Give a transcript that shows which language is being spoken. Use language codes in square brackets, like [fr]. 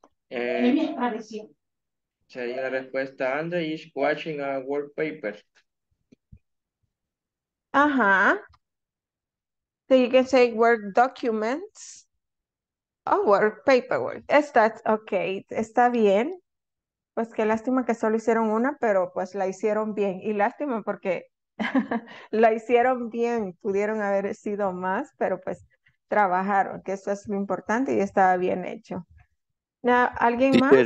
[es] Sería la respuesta, [en] Andre is watching a wallpaper. So you can say work documents or work paperwork. Is that okay? [es] Está bien. Pues qué lástima que solo hicieron una, pero pues la hicieron bien. Y lástima porque la hicieron bien. Pudieron haber sido más, pero pues trabajaron, que eso es lo importante y estaba bien hecho. Now, ¿alguien [en] teacher,